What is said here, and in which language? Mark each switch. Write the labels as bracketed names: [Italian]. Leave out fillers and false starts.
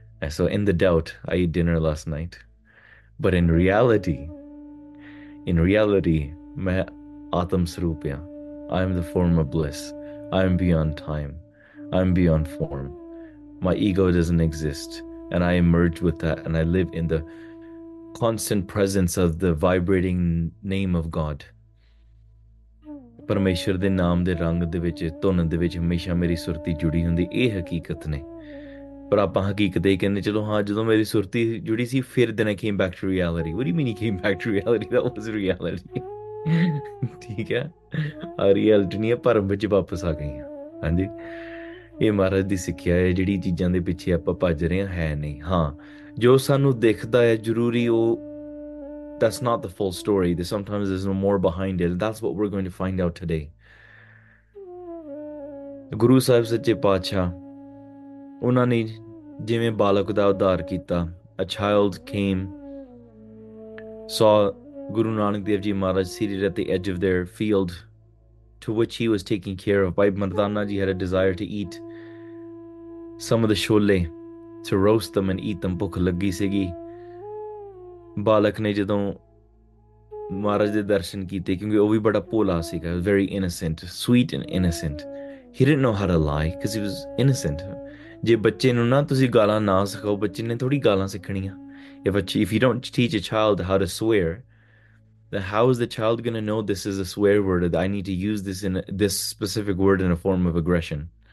[English] So in the doubt, I ate dinner last night. But in reality, [Punjabi] main atam swarup hoon. [English] I am the form of bliss. I am beyond time. I am beyond form. My ego doesn't exist, and I emerge with that, and I live in the constant presence of the vibrating name of God. [Punjabi] ਪਰਮੇਸ਼ਰ ਦੇ ਨਾਮ ਦੇ ਰੰਗ ਦੇ ਵਿੱਚ ਧੁਨ ਦੇ ਵਿੱਚ ਹਮੇਸ਼ਾ ਮੇਰੀ ਸੁਰਤੀ ਜੁੜੀ ਹੁੰਦੀ, ਇਹ ਹਕੀਕਤ ਨੇ। ਪਰ ਆਪਾਂ ਹਕੀਕਤ ਇਹ ਕਹਿੰਦੇ, ਚਲੋ ਹਾਂ ਜਦੋਂ ਮੇਰੀ ਸੁਰਤੀ ਜੁੜੀ ਸੀ ਫਿਰ ਦਿਨ [English] Came back to reality. What you mean came back to reality? That was reality, [Punjabi] ਠੀਕ ਹੈ। ਆ ਰਿਐਲਿਟੀ ਨਹੀਂ, ਭਰਮ ਵਿੱਚ ਵਾਪਸ ਆ ਗਈ ਹਾਂ। ਹਾਂਜੀ, ਇਹ ਮਹਾਰਾਜ ਦੀ ਸਿੱਖਿਆ ਹੈ, ਜਿਹੜੀ ਚੀਜ਼ਾਂ ਦੇ ਪਿੱਛੇ ਆਪਾਂ ਭੱਜ ਰਹੇ ਹਾਂ ਹੈ ਨਹੀਂ। ਹਾਂ, ਜੋ ਸਾਨੂੰ ਦਿਖਦਾ ਹੈ ਜ਼ਰੂਰੀ, ਉਹ [English] That's not the full story. There's sometimes there's no more behind it. That's what we're going to find out today. [Punjabi] Guru Sahib Sache Pacha, Unani Jime Balak da Udhar Kita. [English] A child came, saw Guru Nanak Dev Ji Maharaj seated at the edge of their field, to which he was taking care of. Bhai Mardana Ji had a desire to eat some of the shole, to roast them and eat them. [Punjabi] Bhukh laggi sigi. ਬਾਲਕ ਨੇ ਜਦੋਂ ਮਹਾਰਾਜ ਦੇ ਦਰਸ਼ਨ ਕੀਤੇ, ਕਿਉਂਕਿ ਉਹ ਵੀ ਬੜਾ ਭੋਲਾ ਸੀਗਾ, [English] Very innocent, sweet and innocent, he didn't know how to lie because he was innocent. [Punjabi] ਜੇ ਬੱਚੇ ਨੂੰ ਨਾ ਤੁਸੀਂ ਗਾਲਾਂ ਨਾ ਸਿਖਾਓ, ਬੱਚੇ ਨੇ ਥੋੜ੍ਹੀ ਗਾਲਾਂ ਸਿੱਖਣੀਆਂ। ਇਹ ਬੱਚੇ, [English] If you don't teach a child how to swear, then how is the child going to know this is a swear word, that I need to use this in this specific word in a form of aggression.